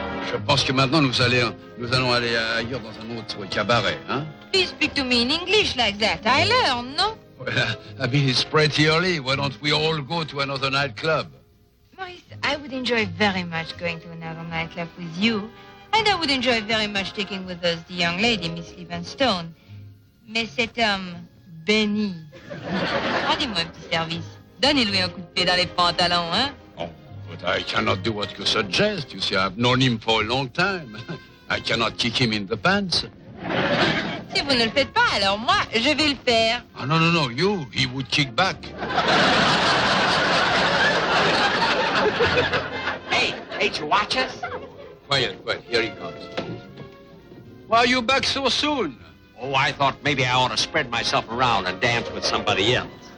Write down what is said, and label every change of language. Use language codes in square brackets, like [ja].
[fr] Je pense que maintenant nous allons aller ailleurs dans un autre cabaret, hein? [en] Please speak to me in English like that. I learn, no? Well, I mean, it's pretty early. Why don't we all go to another nightclub? Maurice, I would enjoy very much going to another nightclub with you. And I would enjoy very much taking with us the young lady, Miss Livingstone. [fr] Mais cet homme, Benny, rendez-moi un petit service. Donnez-lui un coup de pied dans les pantalons, hein? [en] But I cannot do what you suggest. You see, I've known him for a long time. I cannot kick him in the pants. It's [fr] si vous ne le faites pas, alors moi, je vais le faire. [en] Ah oh, [fr] non, non, non, [en] you, he would kick back. Hey, hey, did you watch us? Quiet, quiet, here he comes. Why are you back so soon? Oh, I thought maybe I ought to spread myself around and dance with somebody else.